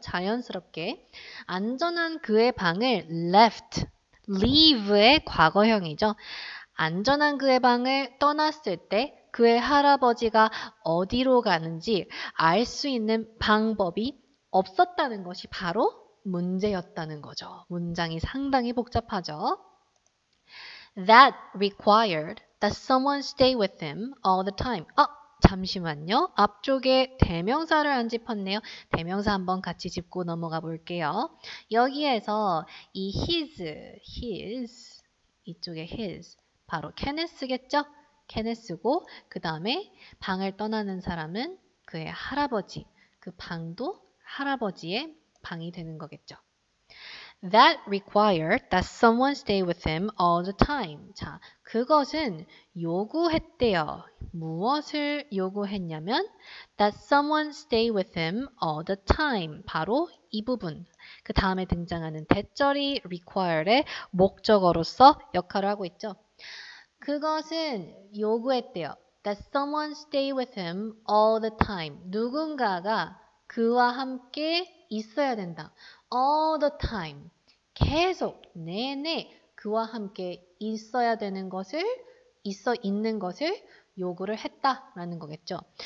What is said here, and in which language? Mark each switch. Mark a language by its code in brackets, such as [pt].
[ko] 자연스럽게. 안전한 그의 방을 left, leave의 과거형이죠. 안전한 그의 방을 떠났을 때 그의 할아버지가 어디로 가는지 알 수 있는 방법이 없었다는 것이 바로 문제였다는 거죠. 문장이 상당히 복잡하죠. [en] That required that someone stay with him all the time. [ko] 잠시만요. 앞쪽에 대명사를 안 짚었네요. 대명사 한번 같이 짚고 넘어가 볼게요. 여기에서 이 his, 이쪽에 his, 바로 케네스겠죠? 케네스고 그 다음에 방을 떠나는 사람은 그의 할아버지, 그 방도 할아버지의 방이 되는 거겠죠. [en] That required that someone stay with him all the time. [ko] 자, 그것은 요구했대요. 무엇을 요구했냐면 [en] that someone stay with him all the time. [ko] 바로 이 부분. 그 다음에 등장하는 대절이 required의 목적어로서 역할을 하고 있죠. 그것은 요구했대요. [en] That someone stay with him all the time. [ko] 누군가가 그와 함께 있어야 된다. [en] All the time. [ko] 계속 내내 그와 함께 있어야 되는 것을, 있어 있는 것을 요구를 했다라는 거겠죠.